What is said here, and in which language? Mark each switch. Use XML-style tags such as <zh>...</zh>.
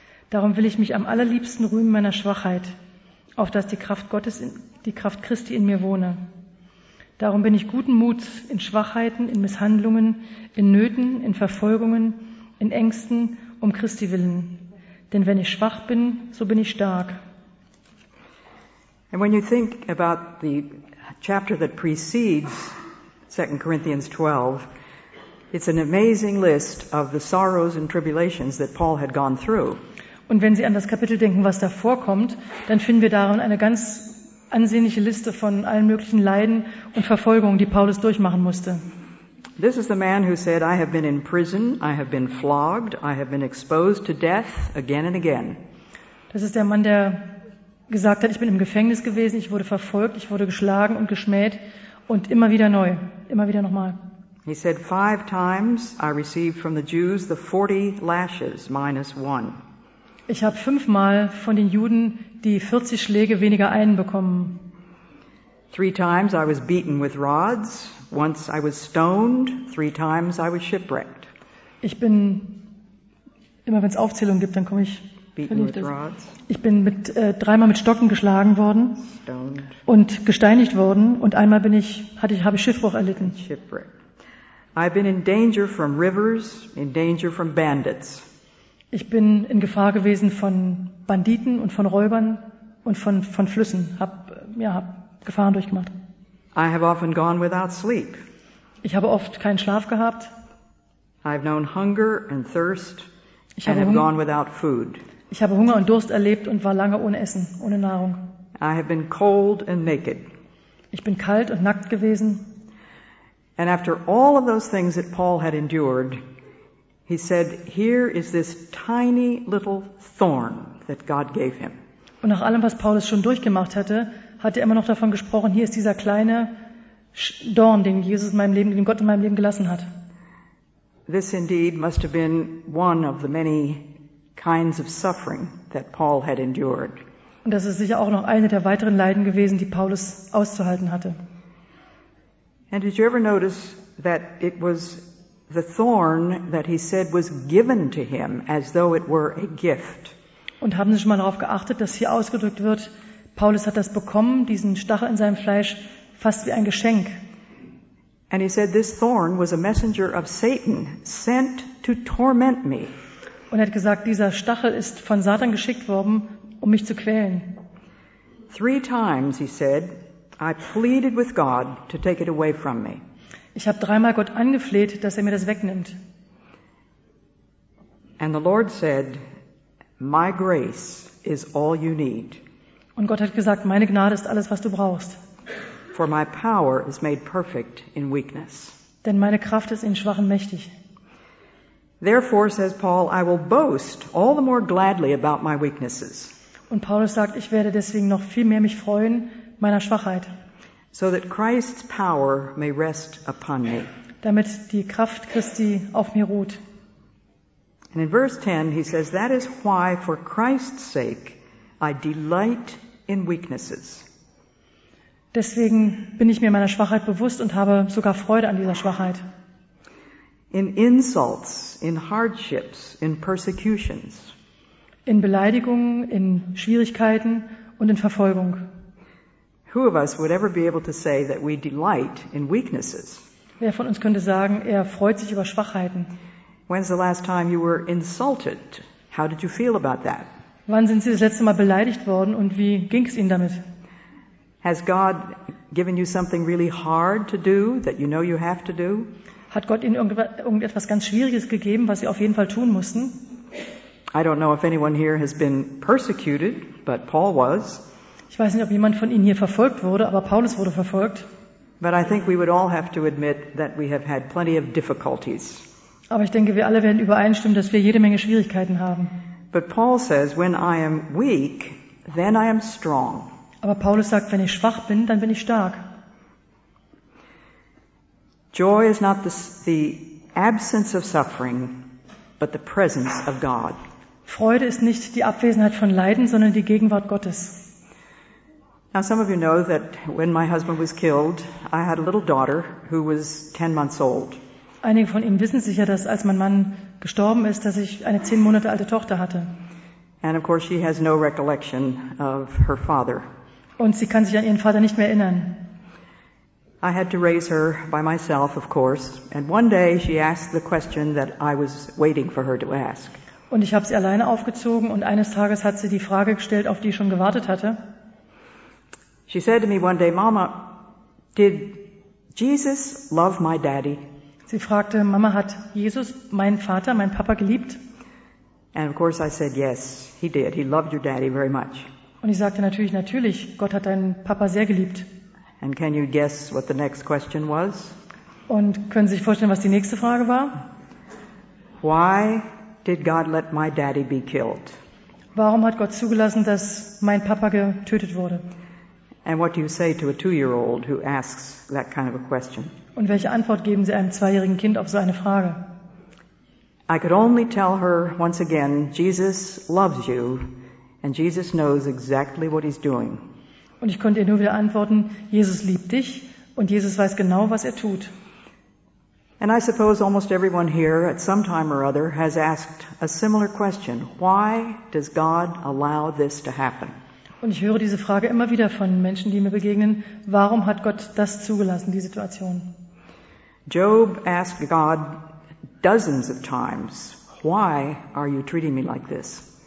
<de>Darum will ich mich am allerliebsten rühmen meiner Schwachheit, auf dass die Kraft Christi in mir wohne. Darum bin ich guten Muts in Schwachheiten, in Misshandlungen, in Nöten, in Verfolgungen, in Ängsten um Christi willen. Denn wenn ich schwach bin, so bin ich stark.</de> <en>And when you think about the chapter that precedes 2 Corinthians 12, it's an amazing list of the sorrows and tribulations that Paul had gone through.</en> <de>Und wenn Sie an das Kapitel denken, was da vorkommt, dann finden wir darin eine ganz ansehnliche Liste von allen möglichen Leiden und Verfolgungen, die Paulus durchmachen musste.</de> <en>This is the man who said, I have been in prison, I have been flogged, I have been exposed to death again and again.</en> <de>Das ist der Mann, der gesagt hat, ich bin im Gefängnis gewesen, ich wurde verfolgt, ich wurde geschlagen und geschmäht und immer wieder neu, immer wieder nochmal.</de> <en>He said, 5 times I received from the Jews the 40 lashes minus one.</en> <de>Ich habe 5-mal von den Juden die 40 Schläge weniger einen bekommen.</de> <en>3 times I was beaten with rods, once I was stoned, 3 times I was shipwrecked.</en> <de>Ich bin, immer wenn es Aufzählungen gibt, dann komme ich. Ich bin mit 3-mal mit Stocken geschlagen worden und gesteinigt worden und einmal habe ich Schiffbruch erlitten.</de> <en>I've been in danger from rivers, in danger from bandits.</en> <de>Ich bin in Gefahr gewesen von Banditen und von Räubern und von Flüssen, hab Gefahren durchgemacht.</de> <en>I have often gone without sleep.</en> <de>Ich habe oft keinen Schlaf gehabt.</de> <en>I've known hunger and thirst and have gone without food.</en> <de>Ich habe Hunger und Durst erlebt und war lange ohne Essen, ohne Nahrung.</de> <en>I have been cold and naked.</en> <de>Ich bin kalt und nackt gewesen.</de> <en>And after all of those things that Paul had endured, he said, here is this tiny little thorn that God gave him.</en> <de>Und nach allem, was Paulus schon durchgemacht hatte, hat er immer noch davon gesprochen, hier ist dieser kleine Dorn, den Gott in meinem Leben gelassen hat.</de> <en>This indeed must have been one of the many kinds of suffering that Paul had endured.</en> <de>Und das ist sicher auch noch eine der weiteren Leiden gewesen, die Paulus auszuhalten hatte.</de> <en>And did you ever notice that it was the thorn that he said was given to him as though it were a gift?</en> <de>Und haben Sie schon mal darauf geachtet, dass hier ausgedrückt wird, Paulus hat das bekommen, diesen Stachel in seinem Fleisch, fast wie ein Geschenk.</de> <en>And he said this thorn was a messenger of Satan sent to torment me.</en> <de>Und er hat gesagt, dieser Stachel ist von Satan geschickt worden, um mich zu quälen.</de> <en>3 times, he said, I pleaded with God to take it away from me.</en> <de>Ich habe 3-mal Gott angefleht, dass er mir das wegnimmt.</de> <en>And the Lord said, "My grace is all you need."</en> <de>Und Gott hat gesagt, meine Gnade ist alles, was du brauchst.</de> <en>"For my power is made perfect in weakness."</en> <de>Denn meine Kraft ist in Schwachen mächtig.</de> <en>"Therefore," says Paul, "I will boast all the more gladly about my weaknesses."</en> <de>Und Paulus sagt, ich werde deswegen noch viel mehr mich freuen meiner Schwachheit.</de> <en>"So that Christ's power may rest upon me."</en> <de>Damit die Kraft Christi auf mir ruht.</de> <en>And in verse 10 he says, "That is why for Christ's sake I delight in weaknesses."</en> <de>Deswegen bin ich mir meiner Schwachheit bewusst und habe sogar Freude an dieser Schwachheit.</de> <en>"In insults, in hardships, in persecutions."</en> <de>In Beleidigungen, in Schwierigkeiten und in Verfolgung.</de> <en>Who of us would ever be able to say that we delight in weaknesses?</en> <de>Wer von uns könnte sagen, er freut sich über Schwachheiten?</de> <en>When's the last time you were insulted? How did you feel about that?</en> <de>Wann sind Sie das letzte Mal beleidigt worden und wie ging es Ihnen damit?</de> <en>Has God given you something really hard to do that you know you have to do?</en> <de>Hat Gott Ihnen irgendetwas ganz Schwieriges gegeben, was Sie auf jeden Fall tun mussten?</de> <en>I don't know if anyone here has been persecuted, but Paul was.</en> <de>Ich weiß nicht, ob jemand von Ihnen hier verfolgt wurde, aber Paulus wurde verfolgt.</de> <en>But I think we would all have to admit that we have had plenty of difficulties.</en> <de>Aber ich denke, wir alle werden übereinstimmen, dass wir jede Menge Schwierigkeiten haben.</de> <en>But Paul says, "When I am weak, then I am strong."</en> <de>Aber Paulus sagt, wenn ich schwach bin, dann bin ich stark.</de> <en>Joy is not the absence of suffering, but the presence of God.</en> <de>Freude ist nicht die Abwesenheit von Leiden, sondern die Gegenwart Gottes.</de> <en>Now some of you know that when my husband was killed, I had a little daughter who was 10 months old.</en> <de>Einige von Ihnen wissen sicher, dass als mein Mann gestorben ist, dass ich eine 10 Monate alte Tochter hatte.</de> <en>And of course she has no recollection of her father.</en> <de>Und sie kann sich an ihren Vater nicht mehr erinnern.</de> <en>I had to raise her by myself, of course, and one day she asked the question that I was waiting for her to ask.</en> <de>Und ich habe sie alleine aufgezogen und eines Tages hat sie die Frage gestellt, auf die ich schon gewartet hatte.</de> <en>She said to me one day, "Mama, did Jesus love my daddy?"</en> <de>Sie fragte, Mama, hat Jesus meinen Vater, meinen Papa geliebt?</de> <en>And of course I said, "Yes, he did. He loved your daddy very much."</en> <de>Und ich sagte natürlich, Gott hat deinen Papa sehr geliebt.</de> <en>And can you guess what the next question was?</en> <de>Und können Sie sich vorstellen, was die nächste Frage war?</de> <en>Why did God let my daddy be killed?</en> <de>Warum hat Gott zugelassen, dass mein Papa getötet wurde?</de> <en>And what do you say to a 2-year-old who asks that kind of a question?</en> <de>Und welche Antwort geben Sie einem 2-jährigen Kind auf so eine Frage?</de> <en>I could only tell her once again, "Jesus loves you, and Jesus knows exactly what he's doing."</en> <de>Und ich konnte ihr nur wieder antworten, Jesus liebt dich und Jesus weiß genau, was er tut.</de> <en>And I suppose almost everyone here at some time or other has asked a similar question. Why does God allow this to happen?</en> <de>Und ich höre diese Frage immer wieder von Menschen, die mir begegnen. Warum hat Gott das zugelassen, die Situation?</de> <en>Job asked God dozens of times, "Why are you treating me like this?"</en>